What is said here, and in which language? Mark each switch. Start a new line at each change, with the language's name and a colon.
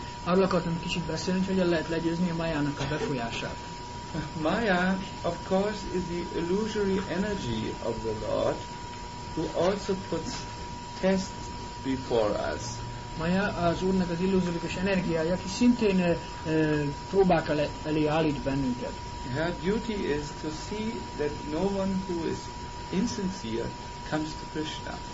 Hungarian: Arról akartam kicsit beszélni, hogy lehet legyőzni a Mayának a befolyását.
English: Maya, of course, is the illusory energy of the Lord, who also puts tests before us.
Hungarian: Maya az Úrnak az illúziós energiája, aki szintén próbák elé állít bennünket.
English: Her duty is to see that no one who is insincere comes to Krishna.